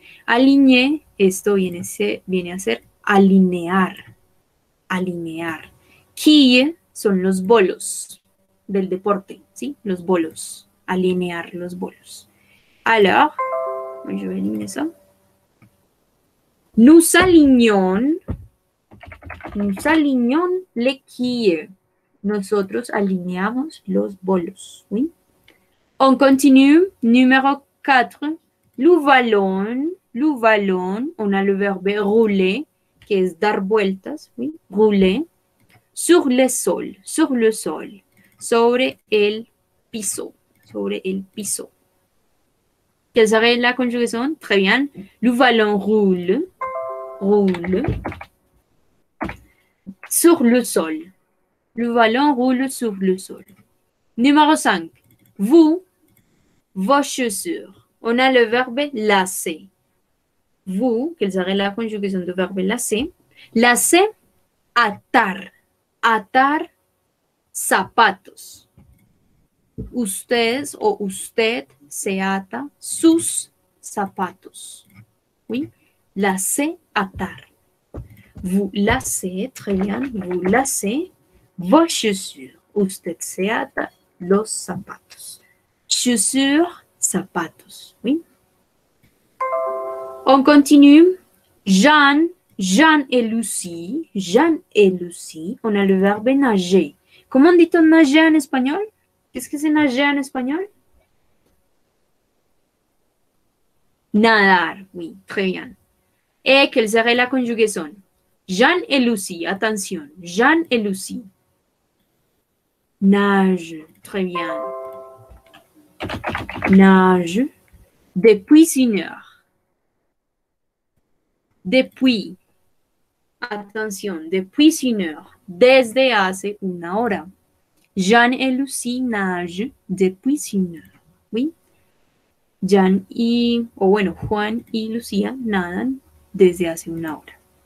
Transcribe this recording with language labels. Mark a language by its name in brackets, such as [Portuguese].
[Spanish] Aligné, esto viene, viene a ser alinear, alinear. Quille son los bolos del deporte, sí, los bolos, alinear los bolos. Alors, yo voy a eliminar eso. [French] Nous alignons les quilles. [Spanish] Nosotros alineamos los bolos. ¿Sí? [French] On continue. [Spanish] Número 4. Louvalon. [French] On a le verbe rouler, [Spanish] que es dar vueltas. [French] ¿Sí? Rouler. Sur le sol. Sur le sol. [Spanish] Sobre el piso. Sobre el piso. [French] Quelle serait la conjugaison? Très bien. Le ballon roule. Roule. Sur le sol. Le ballon roule sur le sol. Numéro 5. Vous, vos chaussures. On a le verbe lasser. Vous, quelle serait la conjugaison du verbe lasser? [Spanish] Lasser, atar. Atar, zapatos. Usted o usted se ata sus zapatos. [French] Oui, lasser, atar. Vous lassez, très bien, vous lassez vos chaussures. [Spanish] Usted se ata los zapatos. [French] Chaussures, zapatos. Oui. On continue. Jean et Lucie. Jean et Lucie. On a le verbe nager. Comment dit-on nager en espagnol? Qu'est-ce que c'est nager en espagnol? Nadar. Oui, très bien. Et quelle serait la conjugaison? Jean et Lucie, attention, Jean et Lucie. Nage, très bien. Nage depuis une heure. Depuis, attention, depuis une heure. [Spanish] Desde hace una hora. [French] Jean et Lucie nagent depuis une heure. Oui. [Spanish] Jean y, o bueno, Juan y Lucía nadan desde hace una hora.